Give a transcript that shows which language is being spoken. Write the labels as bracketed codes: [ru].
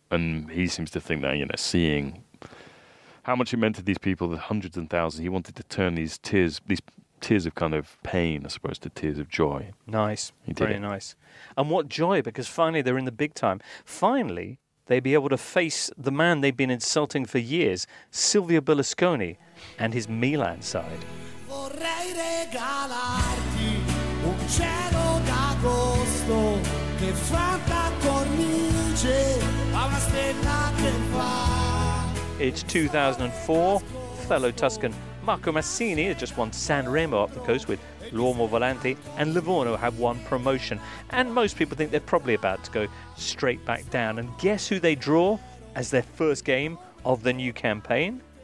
[en] And he seems to think that, you know, seeing how much it meant to these people, the hundreds and thousands, he wanted to turn these tears of kind of pain, I suppose, to tears of joy. Nice. He did. Very nice. And what joy, because finally they're in the big time. Finally, they'd be able to face the man they've been insulting for years, Silvio Berlusconi, and his Milan side. [it] Vorrei regalarti un cielo d'agosto che fatta cornice a una stella che fa. [en] It's 2004. Fellow Tuscan Marco Massini has just won San Remo up the coast with L'Uomo Volante, and Livorno have won promotion. And most people think they're probably about to go straight back down. And guess who they draw as their first game of the new campaign?